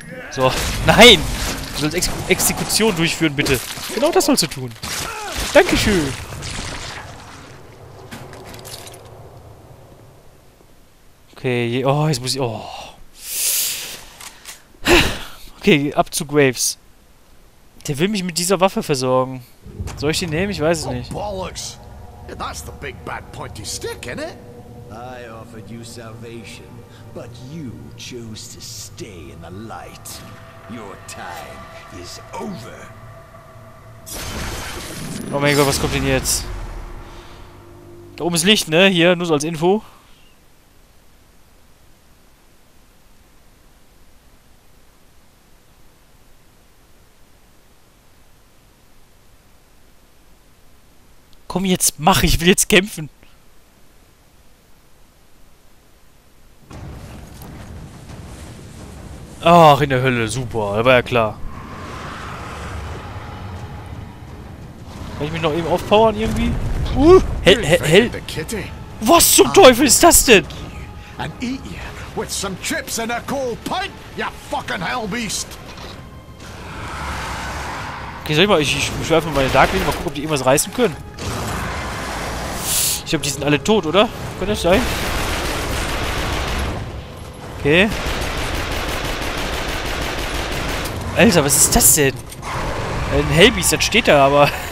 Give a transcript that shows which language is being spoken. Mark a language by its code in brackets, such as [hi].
[de] So, nein! Du sollst Exekution durchführen, bitte. Genau das sollst du tun. Dankeschön! Okay, oh, jetzt muss ich, oh. Okay, ab zu Graves. Der will mich mit dieser Waffe versorgen. Soll ich die nehmen? Ich weiß es nicht. [en] Bollocks! That's the big bad pointy stick, isn't it? I offered you salvation, but you chose to stay in the light. Your time is over. [de] Oh mein Gott, was kommt denn jetzt? Da oben ist Licht, ne? Hier, nur so als Info. Komm jetzt, mach, ich will jetzt kämpfen. Ach, in der Hölle, super, war ja klar. Kann ich mich noch eben aufpowern irgendwie? Hell. Was zum Teufel ist das denn? [en] And eat you with some chips and a cold pint, you fucking hell beast. [de] Okay, soll ich mal, ich schwerfe mal meine Darklinge, mal gucken, ob die irgendwas reißen können. Ich glaube, die sind alle tot, oder? Könnte das sein? Okay. Alter, was ist das denn? Ein Hellbeast, das steht da, aber...